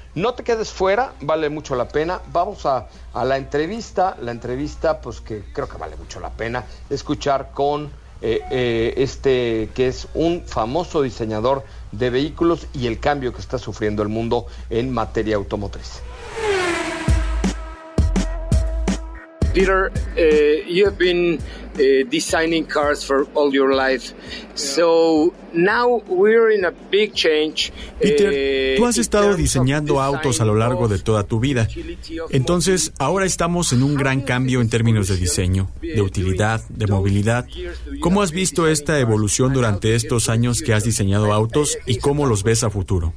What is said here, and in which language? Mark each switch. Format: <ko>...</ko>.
<es>No te quedes fuera, vale mucho la pena. Vamos a la entrevista, pues que creo que vale mucho la pena escuchar con... este que es un famoso diseñador de vehículos y el cambio que está sufriendo el mundo en materia automotriz.</es> <en>Peter, you have been designing cars for all your life. Yeah. So now we're in a big change.</en> <es>Peter, tú has estado diseñando autos a lo largo de toda tu vida. Entonces, ahora estamos en un gran cambio en términos de diseño, de utilidad, de movilidad. ¿Cómo has visto esta evolución durante estos años que has diseñado autos y cómo los ves a futuro?</es>